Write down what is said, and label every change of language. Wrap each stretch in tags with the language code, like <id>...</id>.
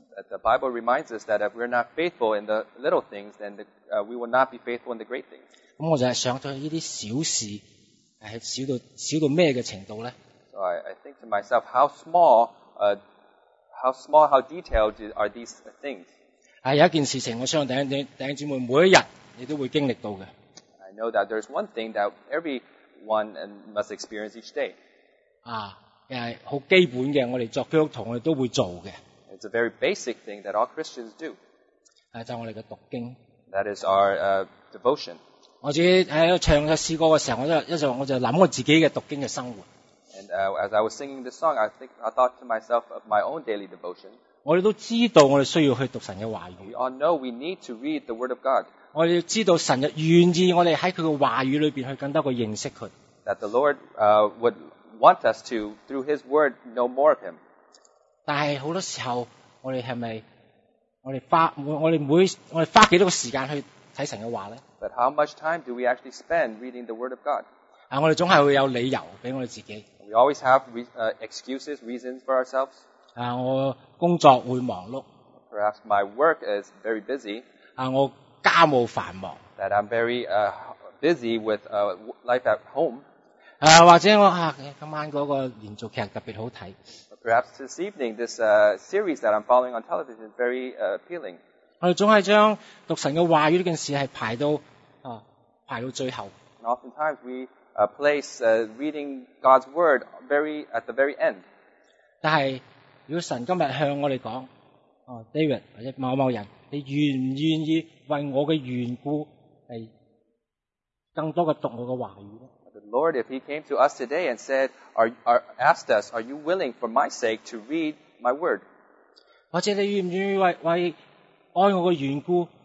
<en>The Bible reminds us that if we're not faithful in the little things, then we will not be faithful in the great things.</en> <yue>咁我就系想到呢啲小事系小到咩嘅程度咧</yue> <en>？So I think to myself, how small, how detailed are these things?</en> <yue>有一件事情，我相信弟兄姊妹每一日你都会经历到嘅。</yue> <en>I know that there's one thing that everyone must experience each day。</en> <yue>好基本嘅，我哋作基督徒我哋都会做嘅。</yue> <en>It's a very basic thing that all Christians do。</en> <yue>就我哋嘅读经。</yue> <en>That is our devotion。</en> <yue>我自己喺度唱嘅诗歌嘅时候，我就谂我自己嘅读经嘅生活。</yue> <en>And as I was singing this song, I thought to myself of my own daily devotion。</en> <yue>我哋都知道我哋需要去读神嘅话语。</yue> <en>We all know we need to read the word of God.</en> <yue>我哋知道神愿意我哋喺佢嘅话语里面去更多去认识佢。</yue> <en>That the Lord would want us to, through his word, know more of him.</en> <yue>但系好多时候我哋系咪我哋花几多个时间去睇神嘅话呢</yue> <en>？But how much time do we actually spend reading the word of God？</en> <yue>我哋总系会有理由俾我哋自己。</yue> <en>We always have excuses, reasons for ourselves.</en> <yue>我工作会忙碌。</yue> <en>Perhaps my work is very busy.</en> <yue>我家务繁忙。</yue> <en>That I'm very busy with life at home.</en> <yue>或者我今晚嗰个连续剧特别好睇。</yue> <en>Perhaps this evening this series that I'm following on television is very appealing.</en> <yue>我哋总系将读神嘅话语呢件事系排到最后。</yue> <en>And oftentimes we place reading God's word at the very end.</en> <yue>但系如果神今日向我哋讲，David 或者某某人，你愿唔愿意为我嘅缘故系更多嘅读我嘅话语咧</yue> <en>？The Lord, if He came to us today and said, asked us, are you willing for my sake to read my word？</en> <yue>或者你愿唔愿意为爱我嘅缘故</yue>